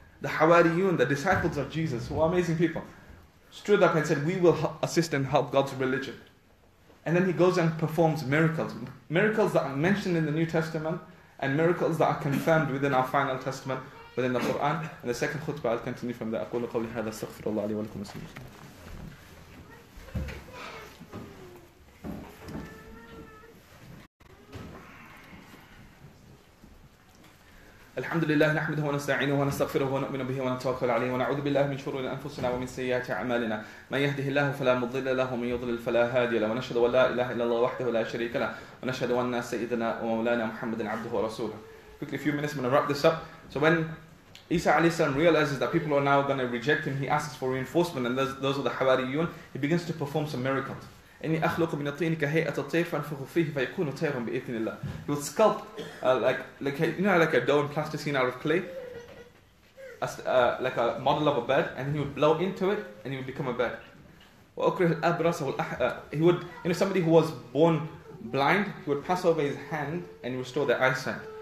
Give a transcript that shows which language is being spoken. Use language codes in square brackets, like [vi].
[en] The Hawariyun, the disciples of Jesus, who are amazing people, stood up and said, "We will assist and help God's religion." And then he goes and performs miracles. Miracles that are mentioned in the New Testament and miracles that are confirmed within our final testament, within the Quran. And the second khutbah, I'll continue from there. [ar] أقول قولي هذا استغفر الله لي ولكم أسلم. الحمد لله نحمده ونستعينه ونستغفره ونؤمن به ونتوكل عليه ونعوذ بالله من شرور أنفسنا ومن سيئات أعمالنا من يهده الله فلا مضل له ومن يضلل فلا هادي له ونشهد أن لا إله إلا الله وحده لا شريك له ونشهد أن سيدنا ومولانا محمد عبده ورسوله. [en] Quickly, a few minutes, I'm going to wrap this up. So when Isa alayhi salam realizes that people are now going to reject him, he asks for reinforcement, and those are the Hawariyun. He begins to perform some miracles. [ar] إني أخلق من الطين كهيئة الطير فأنفخ فيه فيكون طيرا بإذن الله. [en] He would sculpt like a dough and plasticine out of clay, like a model of a bird, and he would blow into it and he would become a bird. [ar] وأكره الأبرص [en] he would, you know, somebody who was born blind, he would pass over his hand and restore their eyesight.